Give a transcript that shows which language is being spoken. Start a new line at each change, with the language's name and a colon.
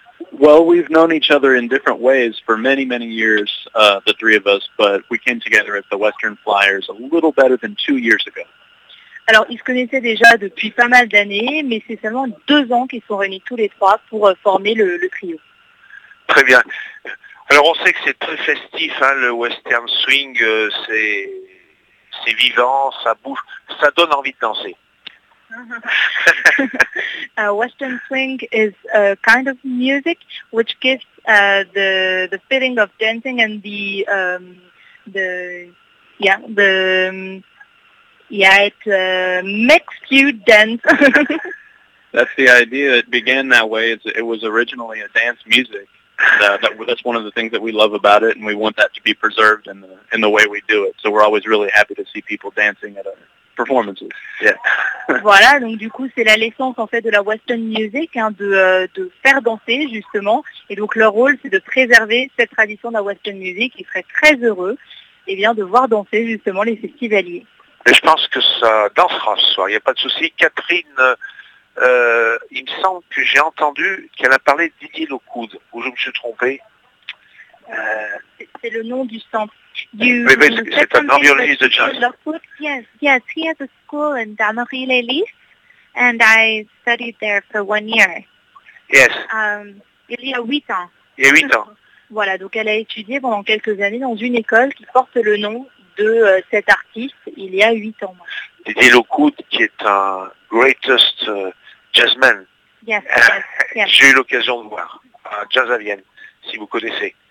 English: Well, we've known each other in different ways for many, many years, the three of us, but we came together at the Western Flyers a little better than 2 years ago.
French: Alors, ils se connaissaient déjà depuis pas mal d'années, mais c'est seulement 2 ans qu'ils sont réunis tous les trois pour former le trio. Très bien. Alors, on sait que c'est très festif, hein, le Western Swing, c'est vivant, ça bouge, ça donne envie de danser.
English: Western Swing is a kind of music which gives the feeling of dancing and makes you dance. That's the idea. It began that way. It was originally a dance music. That's one of the things that we love about it, and we want that to be preserved in the way we do it. So we're always really happy to see people dancing at our performances. Yeah.
French: Voilà, donc du coup, c'est la l'essence en fait de la Western music, hein, de faire danser justement. Et donc leur rôle, c'est de préserver cette tradition de la Western music. Ils seraient très heureux, et bien, de voir danser justement les festivaliers. Et je pense que ça dansera ce soir. Il n'y a pas de souci, Catherine. Il me semble que j'ai entendu qu'elle a parlé de Didier Lockwood, ou je me suis trompé. C'est le nom du centre. C'est un environnement de jazz.
English: Lockwood, yes, he has a school in Damery-les-Lys, and I studied there for 1 year. Yes.
French: Il y a 8 ans. Il y a 8 ans. Voilà, donc elle a étudié pendant quelques années dans une école qui porte le nom de cet artiste il y a 8 ans. Didier Lockwood, qui est un greatest jazzman.
English: Yes, yes, yes.
French: J'ai eu l'occasion de voir à Jazz à Vienne, si vous connaissez,